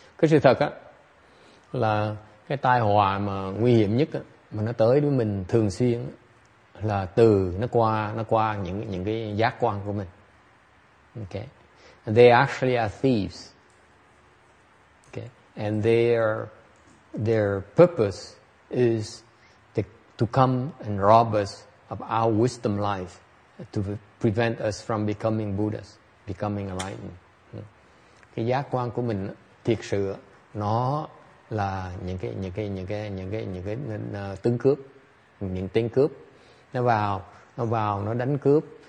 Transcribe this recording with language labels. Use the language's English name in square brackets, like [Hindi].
[Vietnamese] Cái sự thật á là cái tai họa mà nguy hiểm nhất á, mà nó tới với mình thường xuyên á, là từ nó qua những cái giác quan của mình. [English] Okay, they actually are thieves. And their purpose is to come and rob us of our wisdom life, to prevent us from becoming Buddhas, becoming enlightened. [Vietnamese] Cái giác quan của mình thiệt sự nó là những cái tướng cướp, những tên cướp nó vào nó đánh cướp